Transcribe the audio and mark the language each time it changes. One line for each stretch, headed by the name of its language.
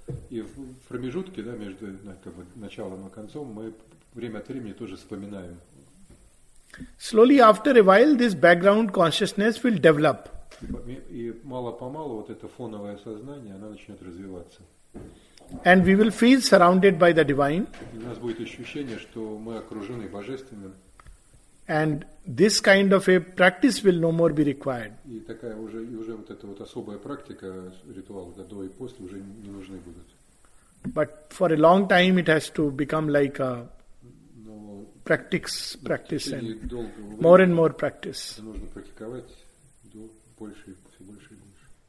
Russian: И в промежутке, да, между началом и концом, мы время от времени тоже вспоминаем.
English: Slowly, after a while, this background consciousness will develop.
Russian: И мало-помалу вот это фоновое сознание, оно начнет развиваться.
English: And we will feel surrounded by the divine.
Russian: И у нас будет ощущение, что мы окружены божественным.
English: And this kind of a practice will no more be required.
Russian: И такая уже вот эта вот особая практика ритуал до и после уже не нужны будут.
English: But for a long time it has to become like a practice and more and more practice.
Russian: Нужно практиковать до больше и все больше и больше.